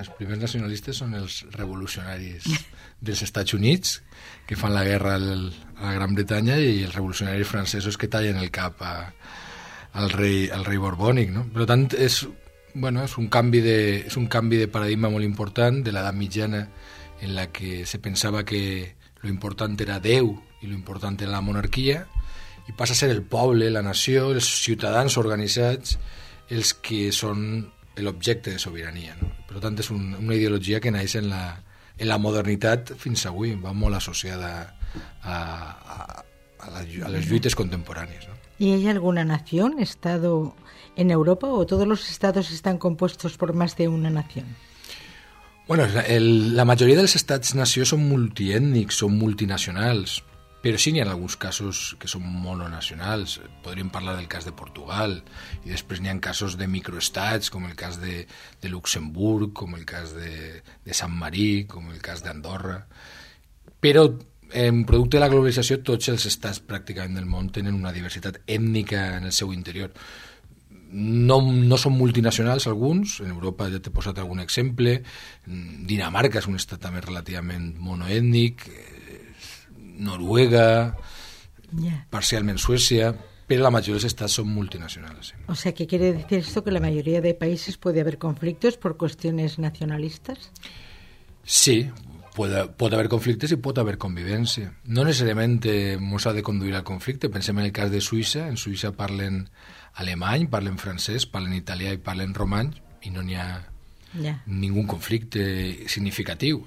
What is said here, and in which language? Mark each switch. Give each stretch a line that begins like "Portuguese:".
Spanish: Los primeros nacionalistas son los revolucionarios de los Estados Unidos,
Catalan: que fan la guerra
Spanish: a la Gran Bretaña, y los revolucionarios franceses
Catalan: que tallen el cap
Spanish: al rey borbónico, ¿no? Por lo tanto, es un cambio de paradigma muy importante de la Edad Mitjana, en la que se pensaba que lo importante era Déu y lo importante era la monarquía.
Catalan: I passa a ser el poble, la nació, els ciutadans organitzats, els que són l'objecte de sobirania. No? Per tant, és una ideologia que naix en la modernitat fins avui, va molt associada a les lluites contemporànies. No? ¿Y hay alguna nació, estado en Europa, o todos los estados están compuestos por más de una nación? Bueno, la majoria dels estats-nació són multiètnics, són multinacionals. Però sí, n'hi ha alguns casos que són mononacionals. Podríem parlar del cas de Portugal, i després n'hi ha casos de microestats, com el cas de Luxemburg, com el cas de Sant Marí, com el cas d'Andorra. Però en producte de la globalització, tots els estats pràcticament del món tenen una diversitat ètnica en el seu interior. No són multinacionals alguns, en Europa ja t'he posat algun exemple, Dinamarca és un estat també relativament monoètnic, Noruega, yeah, parcialment Suècia, però la majoria dels estats són multinacionals.
Spanish: O sea, ¿qué quiere decir esto? ¿Que la mayoría de países puede haber conflictos por cuestiones nacionalistas?
Catalan: Sí, pot haver conflictes i pot haver convivència. No necessàriament ens ha de conduir al conflicte. Pensem en el cas de Suïssa. En Suïssa parlen alemany, parlen francès, parlen italià i parlen romany, i no n'hi ha ningú conflicte significatiu.